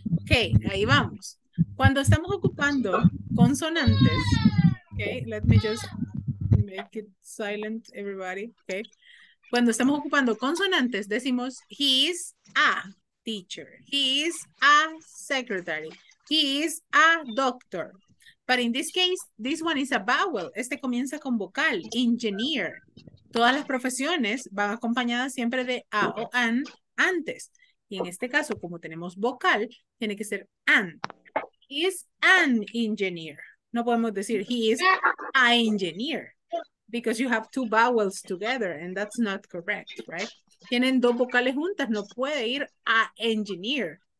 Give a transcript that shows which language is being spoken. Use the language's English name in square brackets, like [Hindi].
[English] Okay, [Spanish] ahí vamos. Cuando estamos ocupando consonantes, [English] okay, let me just make it silent, everybody, okay. [Spanish] Cuando estamos ocupando consonantes, decimos, [English] he is a teacher, he is a secretary, he is a doctor. But in this case, this one is a vowel. [Spanish] Este comienza con vocal, engineer. Todas las profesiones van acompañadas siempre de a o an antes. Y en este caso, como tenemos vocal, tiene que ser an. [English] He is an engineer. [Spanish] No podemos decir [English] he is a engineer because you have two vowels together and that's not correct, right? [Spanish] Tienen dos vocales juntas, no puede ir a engineer.